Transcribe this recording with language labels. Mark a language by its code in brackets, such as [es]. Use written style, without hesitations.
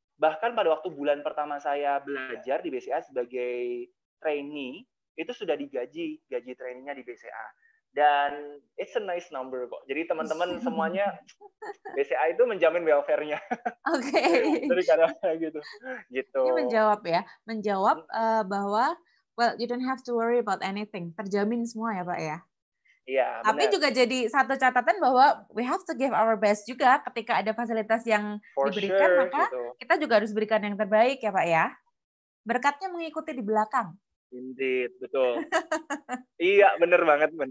[id] Bahkan pada waktu bulan pertama saya belajar di BCA sebagai trainee, itu sudah digaji, gaji trainingnya di BCA. Dan [en] it's a nice number [id] kok. Jadi teman-teman semuanya, BCA itu menjamin welfare-nya. Oke. Dari kadang-kadang gitu. Gitu. Ini menjawab ya. Menjawab bahwa, [en] well, you don't have to worry about anything. [id] Terjamin semua ya, Pak, ya? Iya, tapi bener. Juga jadi satu catatan bahwa [en] we have to give our best [id] juga ketika ada fasilitas yang for diberikan, sure, maka gitu. Kita juga harus berikan yang terbaik ya, Pak, ya? Berkatnya mengikuti di belakang. [en] Indeed, [id] betul. Iya, benar banget.